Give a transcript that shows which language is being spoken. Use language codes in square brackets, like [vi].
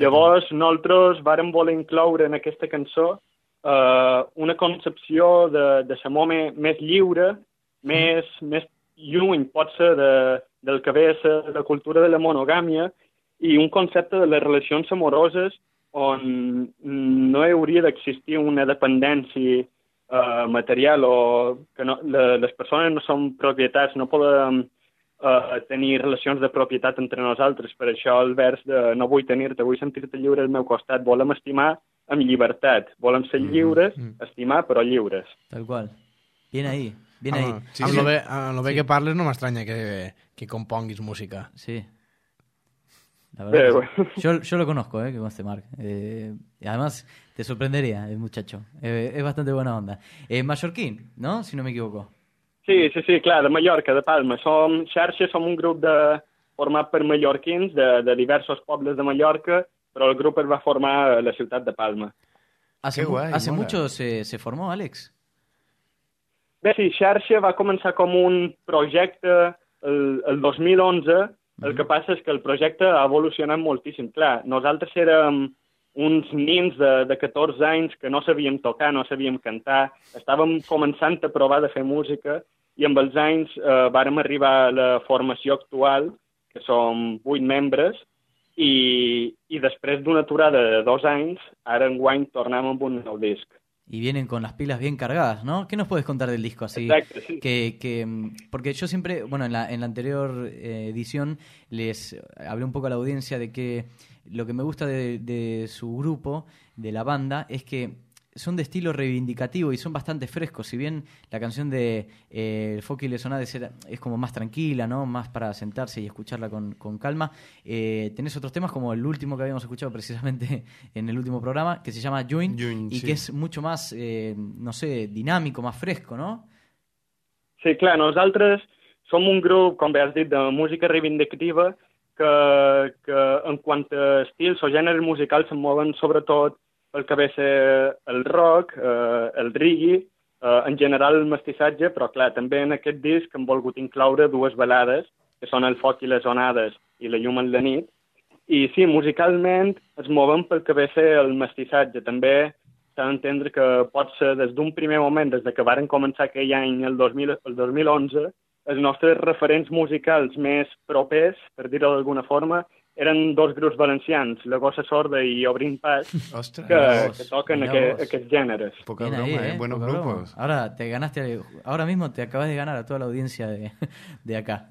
[ca] Llavors, nosaltres vàrem voler incloure en aquesta cançó una concepció de l'amor més lliure, més lluny, pot ser, del que ve a ser la cultura de la monogàmia, i un concepte de les relacions amoroses on no hauria d'existir una dependència material, o que no, les persones no són propietats, no podem tenir relacions de propietat entre nosaltres. Per això el vers de no vull tenir-te, vull sentir-te lliure al meu costat, volem estimar amb llibertat, volem ser lliures, estimar però lliures. [es] Tal qual, bien ahí, bien ahí. [ca] Sí, sí. Lo bé sí que parles, no m'estranya que componguis música. [es] Sí, la verdad. Bueno. Yo lo conozco, que conste Marc. Además, te sorprendería el muchacho. Es bastante buena onda. Mallorquín, ¿no? Si no me equivoco. [ca] Sí, sí, sí, clar, de Mallorca, de Palma. Som xarxa, som un grup format per mallorquins de diversos pobles de Mallorca, però el grup es va formar a la ciutat de Palma. [es] Hace mucho se formó, Àlex? [ca] Bé, sí, xarxa va començar com un projecte el 2011. Uh-huh. El que passa és que el projecte ha evolucionat moltíssim. Clar, nosaltres érem uns nins de 14 anys que no sabíem tocar, no sabíem cantar, estàvem començant a provar de fer música, i amb els anys vàrem arribar a la formació actual, que som 8 membres, i després d'una aturada de 2 anys, ara enguany tornem amb un nou disc. [es] Y vienen con las pilas bien cargadas, ¿no? ¿Qué nos puedes contar del disco así? Exacto, sí. Que porque yo siempre, bueno, en la anterior edición les hablé un poco a la audiencia de que lo que me gusta de su grupo, de la banda, es que son de estilo reivindicativo y son bastante frescos. Si bien la canción de El Foc i les Onades es como más tranquila, ¿no? Más para sentarse y escucharla con calma. Tenés otros temas como el último que habíamos escuchado precisamente en el último programa, que se llama Join y sí, que es mucho más, no sé, dinámico, más fresco, ¿no? Sí, claro. [ca] Nosaltres som un grup, com bé has dit, de música reivindicativa que en quant a estils o gèneres musicals se mouen sobretot el que ve a ser el rock, el reggae, en general el mestissatge, però clar, també en aquest disc hem volgut incloure dues balades, que són El Foc i les Onades i La Llum en la Nit. I sí, musicalment es mouen pel que ve a ser el mestissatge. També s'ha d'entendre que pot ser des d'un primer moment, des que varen començar aquell any, el 2011, els nostres referents musicals més propers, per dir-ho d'alguna forma, eren dos grups valencians, La Gossa Sorda i Obrint Pas. Ostres, que toquen aquests gèneres. Poca broma, [es] buenos grupos. Ahora te ganaste, ahora mismo te acabas de ganar a toda la audiencia de acá.